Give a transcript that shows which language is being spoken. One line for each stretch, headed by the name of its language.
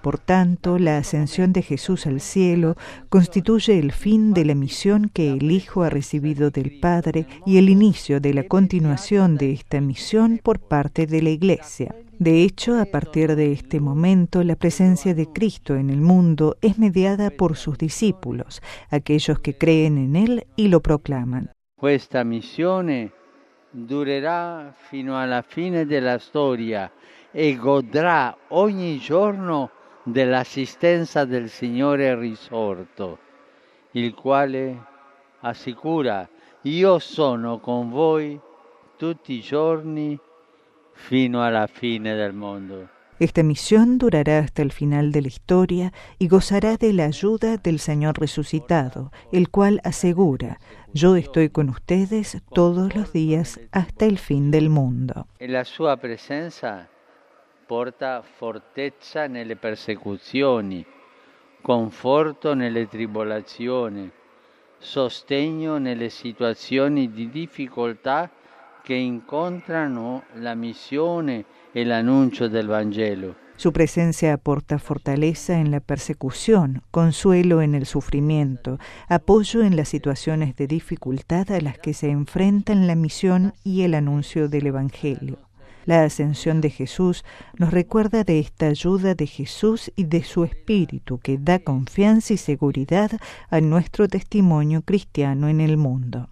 Spanish: Por tanto, la ascensión de Jesús al cielo constituye el fin de la misión que el Hijo ha recibido del Padre y el inicio de la continuación de esta misión por parte de la Iglesia. De hecho, a partir de este momento, la presencia de Cristo en el mundo es mediada por sus discípulos, aquellos que creen en Él y lo proclaman. Esta misión durará
Italian: fino a la fine de la historia e godrà ogni giorno dell'assistenza del Signore risorto, il quale assicura: io sono con voi tutti i giorni fino alla fine del mondo.
Spanish: Esta misión durará hasta el final de la historia y gozará de la ayuda del Señor resucitado, el cual asegura: yo estoy con ustedes todos los días hasta el fin del mundo.
Italian: La
Spanish: su presencia
Italian: porta fortezza nelle persecuzioni, conforto nelle tribolazioni, sostegno nelle situazioni di difficoltà che incontrano la missione e l'annuncio del Vangelo.
Spanish: Su presencia aporta fortaleza en la persecución, consuelo en el sufrimiento, apoyo en las situaciones de dificultad a las que se enfrentan la misión y el anuncio del Evangelio. La ascensión de Jesús nos recuerda de esta ayuda de Jesús y de su Espíritu que da confianza y seguridad a nuestro testimonio cristiano en el mundo.